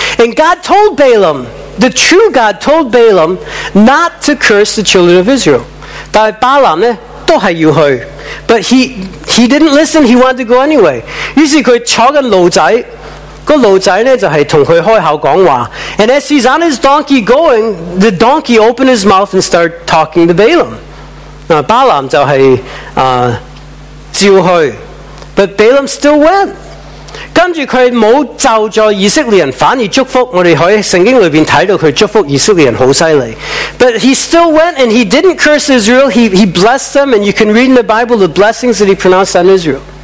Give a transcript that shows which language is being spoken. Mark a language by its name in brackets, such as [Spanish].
[English] And God told Balaam, the true God told Balaam not to curse the children of Israel. [Chinese] 但巴兰呢，都是要去。 [English] But he didn't listen, he wanted to go anyway. [Chinese] 于是他坐着驴仔，那个驴仔呢，就是跟他开口讲话。 [English] And as he's on his donkey going, the donkey opened his mouth and started talking to Balaam. [Chinese] 巴兰就是照去。 [English] But Balaam still went. [Chinese] 跟着他没有咒诅以色列人，反而祝福。我们可以在圣经里面看到他祝福以色列人很厉害。 [English] But he still went and he didn't curse Israel. He blessed them, and you can read in the Bible the blessings that he pronounced on Israel.